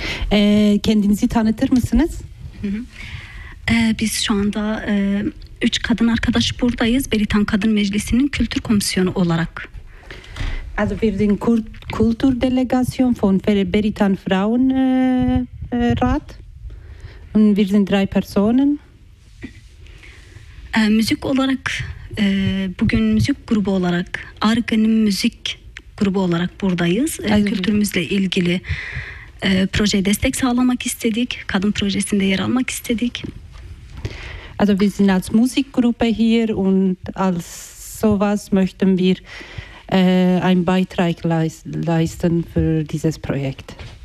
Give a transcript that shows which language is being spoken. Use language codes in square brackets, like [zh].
[tr] Kendinizi tanıtır mısınız? Biz şu anda üç kadın arkadaş buradayız. Beritan Kadın Meclisi'nin kültür komisyonu olarak. [de] Also wir sind Kulturdelegation von Beritan Frauenrat. Und wir sind drei Personen. [tr] Müzik olarak Bugün müzik grubu olarak, Arken'in müzik grubu olarak buradayız. Kültürümüzle ilgili projeye destek sağlamak istedik. Kadın projesinde yer almak istedik. [de] Also wir sind als Musikgruppe hier und als sowas möchten wir einen Beitrag leisten für dieses Projekt.